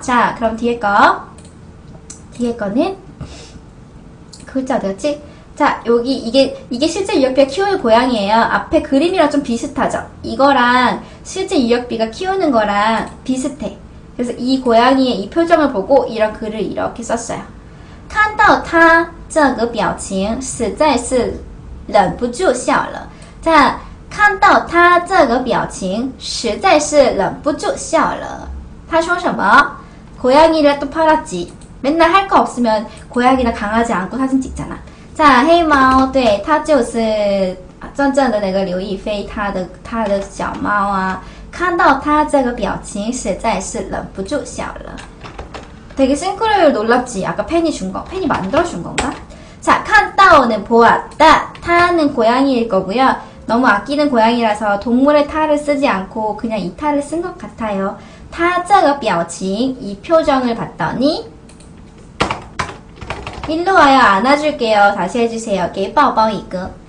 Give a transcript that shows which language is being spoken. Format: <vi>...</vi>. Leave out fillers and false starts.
<ko>자, 그럼 뒤에 거. 뒤에 거는 글자 어디였지? 자, 여기 이게 실제 유혁비가 키우는 고양이에요. 앞에 그림이랑 좀 비슷하죠? 이거랑 실제 유혁비가 키우는 거랑 비슷해. 그래서 이 고양이의 이 표정을 보고 이런 글을 이렇게 썼어요.</ko> <zh>看到他这个表情实在是忍不住笑了.</zh> <ko>자,</ko> <zh>看到他这个表情实在是忍不住笑了. 他说什么?</zh> <ko>고양이를 또 팔았지. 맨날 할거 없으면 고양이나 강아지 안고 사진 찍잖아. 자,</ko> <zh>黑猫, 对, 他就是, 真正的那个刘亦菲,他的小猫啊, 看到他这个表情实在是忍不住笑了.</zh> <ko>되게 싱크로율 놀랍지? 아까 팬이 준 거, 팬이 만들어준 건가? 자,</ko> <zh>看到</zh> <ko>는 보았다, 他는 고양이일 거고요. 너무 아끼는 고양이라서 동물의 他를 쓰지 않고 그냥 이 他를 쓴것 같아요.</ko> <zh>他这个表情,</zh> <ko>이 표정을 봤더니, 일로 와요, 안아줄게요. 다시 해주세요. 게, 빠오빠오, 이거.</ko>